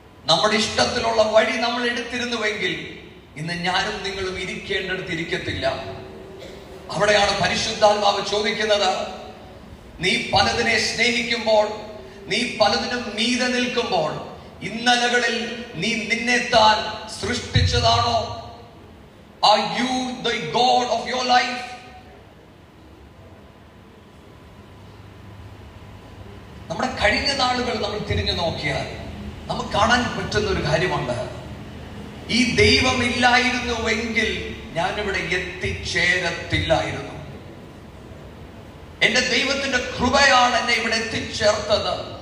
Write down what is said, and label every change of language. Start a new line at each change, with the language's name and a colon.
Malayalam: നമ്മുടെ ഇഷ്ടത്തിലുള്ള വഴി നമ്മൾ എടുത്തിരുന്നുവെങ്കിൽ ഇന്ന് ഞാനും നിങ്ങളും ഇരിക്കേണ്ടടുത്ത് ഇരിക്കത്തില്ല. അവിടെയാണ് പരിശുദ്ധാത്മാവ് ചോദിക്കുന്നത്, നീ പലതിനെ സ്നേഹിക്കുമ്പോൾ, നീ പലതിനും മീതെ നിൽക്കുമ്പോൾ, ഇന്നലകളിൽ നീ നിന്നെ താൻ സൃഷ്ടിച്ചതാണോ?
English: Are you the God of your life?
Malayalam: നമ്മുടെ കഴിഞ്ഞ നാളുകൾ നമ്മൾ തിരിഞ്ഞു നോക്കിയാൽ നമുക്ക് കാണാൻ പറ്റുന്ന ഒരു കാര്യമുണ്ട്, ഈ ദൈവം ഇല്ലായിരുന്നുവെങ്കിൽ ഞാനിവിടെ എത്തിച്ചേരത്തില്ലായിരുന്നു. എന്റെ ദൈവത്തിന്റെ കൃപയാണ് എന്നെ ഇവിടെ എത്തിച്ചേർത്തത്.